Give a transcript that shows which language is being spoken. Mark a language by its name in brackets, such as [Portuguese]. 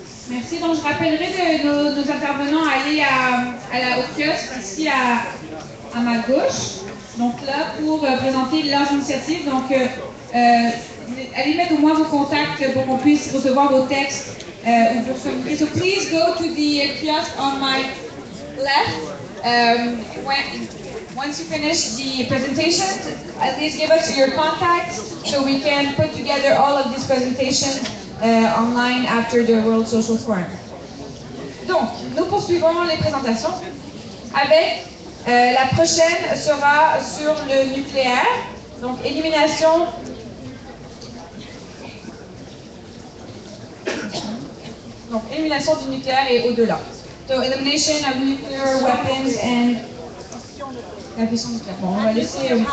[French] Merci. Donc, je rappellerai de nos intervenants aller au kiosque ici à ma gauche. Donc, là, pour présenter leurs initiatives. Donc, allez mettre au moins vos contacts pour qu'on puisse recevoir vos textes ou pour communiquer. [English] So please go to the kiosk on my left. Once you finish the presentation, at least give us your contacts so we can put together all of these presentations online after the World Social Forum. [French] Donc, nous poursuivons les présentations avec la prochaine sera sur le nucléaire, donc élimination. Donc, élimination du nucléaire et au-delà. [English] So, elimination of nuclear weapons and... [French] La question nucléaire. Bon, on va laisser...